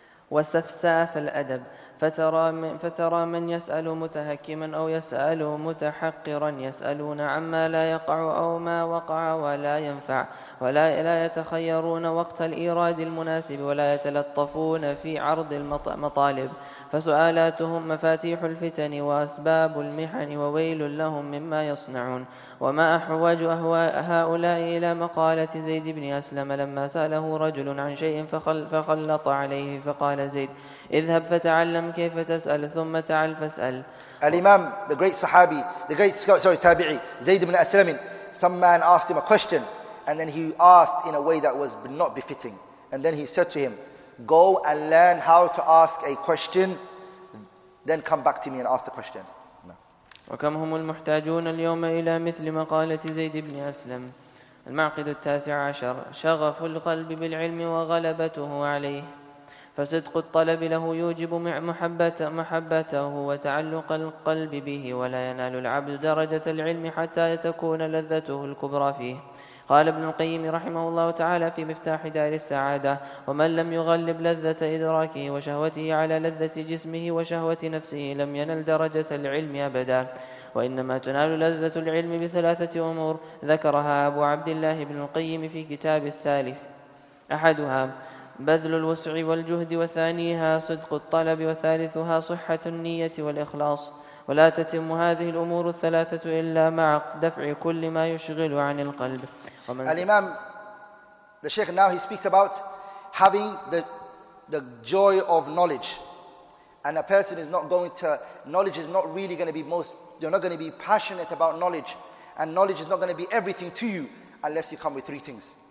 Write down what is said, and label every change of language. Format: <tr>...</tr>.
<ar>واستفساف الادب فترى من يسال متهكما او يسال متحقرا يسالون عما لا يقع او ما وقع ولا ينفع ولا يتخيرون وقت الايراد المناسب ولا يتلطفون في عرض المطالب فسؤالاتهم مفاتيح الفتن واسباب المحن وويل لهم مما يصنعون وما احوج هؤلاء الى مقاله زيد بن اسلم لما ساله رجل عن شيء فخلط عليه فقال زيد اذهب فتعلم كيف تسال ثم تعال فاسال</ar> <en>الامام the great sahabi the great sorry tabi'i زيد بن اسلم some man asked him a question and then he asked in a way that was not befitting and then he said to him Go and learn how to ask a question, then come back to me and ask the question.</en> <ar>وكم هم المحتاجون اليوم إلى مثل مقالة زيد بن أسلم. المعقد التاسع عشر شغف القلب بالعلم وغلبته عليه. فصدق الطلب له يوجب محبته وتعلق القلب به ولا ينال العبد درجة العلم حتى تكون لذته الكبرى فيه. قال ابن القيم رحمه الله تعالى في مفتاح دار السعادة ومن لم يغلب لذة إدراكه وشهوته على لذة جسمه وشهوة نفسه لم ينل درجة العلم أبدا وإنما تنال لذة العلم بثلاثة أمور ذكرها أبو عبد الله بن القيم في كتاب السالف أحدها بذل الوسع والجهد وثانيها صدق الطلب وثالثها صحة النية والإخلاص ولا تتم هذه الأمور الثلاثة إلا مع دفع كل ما يشغل عن القلب</ar> <en>الإمام the Shaykh now he speaks about having the joy of knowledge and a person is not going to knowledge is not really going to be most you're not going to be passionate about knowledge and knowledge is not going to be everything to you unless you come with three things</en>